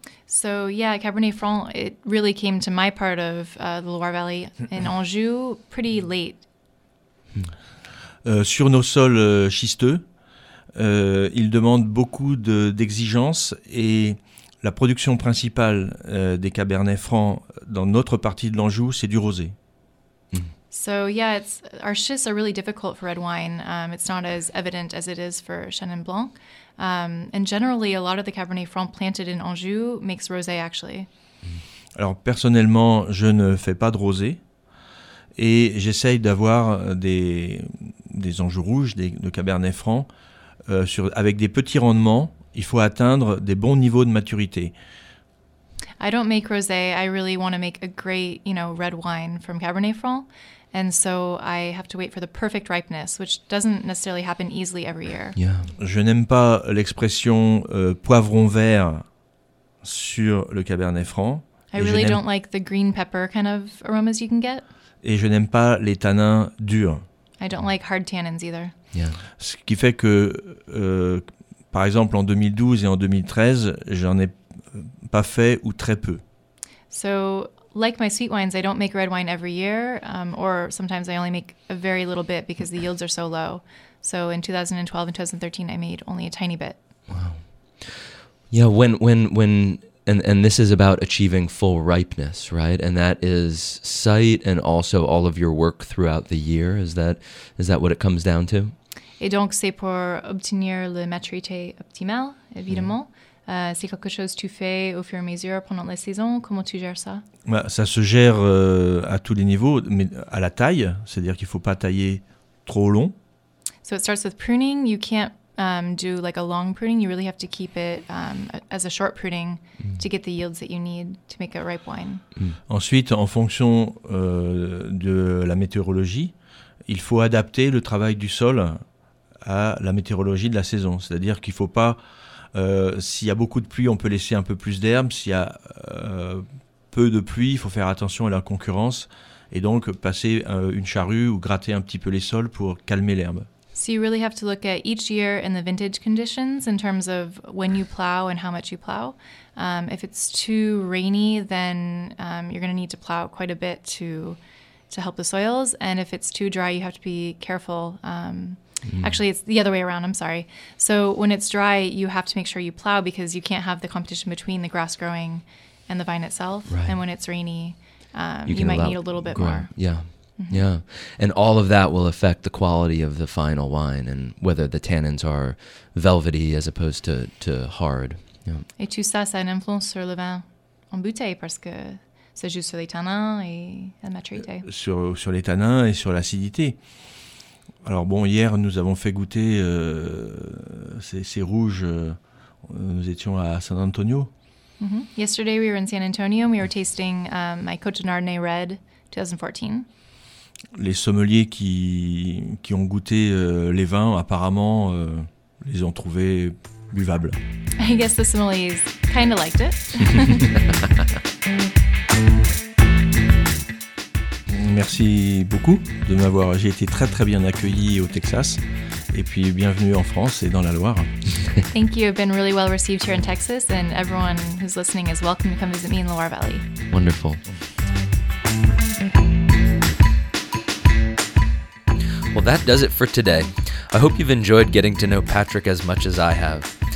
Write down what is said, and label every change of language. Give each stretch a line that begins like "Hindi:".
English: So yeah, Cabernet Franc, it really came to my part of the Loire Valley in Anjou pretty late.
French: Sur nos sols schisteux, il demande beaucoup d'exigences et la production principale des Cabernet Franc dans notre partie de l'Anjou, c'est du rosé.
English: So yeah, our schists are really difficult for red wine. It's not as evident as it is for Chenin Blanc. And generally, a lot of the Cabernet Franc planted in Anjou makes rosé, actually.
French: Alors personnellement, je ne fais pas de rosé. Et j'essaye d'avoir des Anjou rouges, de Cabernet Franc, avec des petits rendements. Il faut atteindre des bons niveaux de maturité.
English: I don't make rosé. I really want to make a great, you know, red wine from Cabernet Franc. And so I have to wait for the perfect ripeness, which doesn't necessarily happen easily every year. Yeah.
French: Je n'aime pas l'expression poivron vert sur le Cabernet Franc.
English: I really don't like the green pepper kind of aromas you can get.
French: Et je n'aime pas les tanins durs.
English: I don't like hard tannins either. Yeah.
French: Ce qui fait que, par exemple, en 2012 et en 2013, j'en ai pas fait ou très peu.
English: So, like my sweet wines, I don't make red wine every year, or sometimes I only make a very little bit because the yields are so low. So in 2012 and 2013, I made only a tiny bit. Wow. Yeah, when this is about achieving full ripeness, right? And that is sight and also all of your work throughout the year. Is that what it comes down to?
French: Et donc, c'est pour obtenir la maturité optimale, évidemment. Mm. C'est quelque chose que tu fais au fur et à mesure pendant la saison. Comment tu gères ça? Bah, ça se gère à tous les niveaux, mais à la taille. C'est-à-dire qu'il ne faut pas tailler trop long.
English: So it starts with pruning. You can't do like a long pruning. You really have to keep it as a short pruning to get the yields that you need to make a ripe wine. Mm.
French: Ensuite, en fonction de la météorologie, il faut adapter le travail du sol à la météorologie de la saison. C'est-à-dire qu'il ne faut pas... s'il y a beaucoup de pluie, on peut laisser un peu plus d'herbe. S'il y a peu de pluie, il faut faire attention à la concurrence et donc passer une charrue ou gratter un petit peu les sols pour calmer l'herbe.
English: So you really have to look at each year and the vintage conditions in terms of when you plow and how much you plow. If it's too rainy, then you're going to need to plow quite a bit to help the soils. And if it's too dry, you have to be careful. Actually, it's the other way around. I'm sorry. So when it's dry, you have to make sure you plow because you can't have the competition between the grass growing and the vine itself. Right. And when it's rainy, you might need a little bit more. Yeah. Mm-hmm. Yeah. And all of that will affect the quality of the final wine and whether the tannins are velvety as opposed to hard. Yeah.
French: Et tout ça, ça a une influence sur le vin en bouteille parce que c'est juste sur les tannins et la maturité. Sur les tannins et sur l'acidité. Alors bon, hier, nous avons fait goûter ces rouges. Nous étions à San Antonio.
English: Mm-hmm. Yesterday, we were in San Antonio. We were tasting my Côte de Chardonnay Red 2014.
French: Les sommeliers qui ont goûté les vins, apparemment, les ont trouvés buvables.
English: I guess the sommeliers kind of liked it.
French: Merci beaucoup de m'avoir. J'ai été très très bien accueilli au Texas et puis bienvenue en France et dans la Loire.
English: Thank you. I've been really well received here in Texas and everyone who's listening is welcome to come visit me in the Loire Valley. Wonderful. Well, that does it for today. I hope you've enjoyed getting to know Patrick as much as I have.